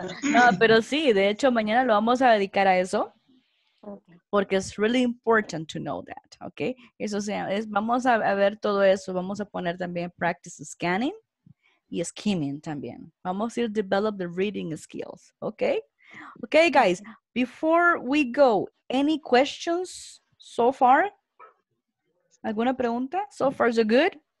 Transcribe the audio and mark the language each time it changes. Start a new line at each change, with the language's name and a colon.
Spanish: No, pero sí, de hecho, mañana lo vamos a dedicar a eso. Porque es
English: really important to know that, okay?
Spanish: Eso sea, vamos a ver todo eso. Vamos a poner también
English: practice scanning
Spanish: y skimming también.
English: Vamos a ir develop the reading skills, okay? Okay, guys, before we go, any questions so far?
Spanish: ¿Alguna pregunta?
English: So far, so good?